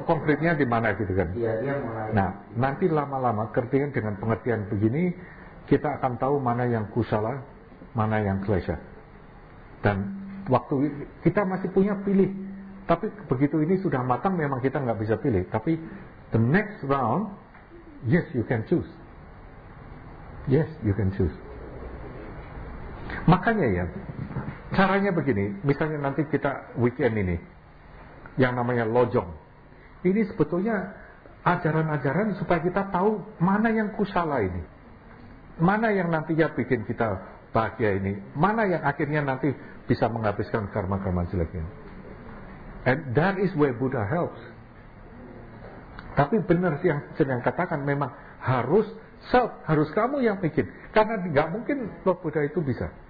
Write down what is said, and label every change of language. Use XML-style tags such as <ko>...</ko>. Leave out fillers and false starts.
<id>Konkretnya di mana gitu kan? Iya, dia mulai. Nah, nanti lama-lama kertian dengan pengertian begini, kita akan tahu mana yang kusala, mana yang klesha. Dan waktu kita masih punya pilih, tapi begitu ini sudah matang memang kita nggak bisa pilih. Tapi</id> <en>the next round, yes, you can choose. Yes, you can choose.</en> <id>Makanya ya, caranya begini. Misalnya nanti kita weekend ini, yang namanya lojong. Ini sebetulnya ajaran-ajaran supaya kita tahu mana yang kusala ini, mana yang nantinya bikin kita bahagia ini, mana yang akhirnya nanti bisa menghabiskan karma-karma jeleknya.</id> <en>And that is where Buddha helps.</en> <id>Tapi benar yang sedang katakan, memang harus self, harus kamu yang bikin. Karena gak mungkin Lord Buddha itu bisa.</id>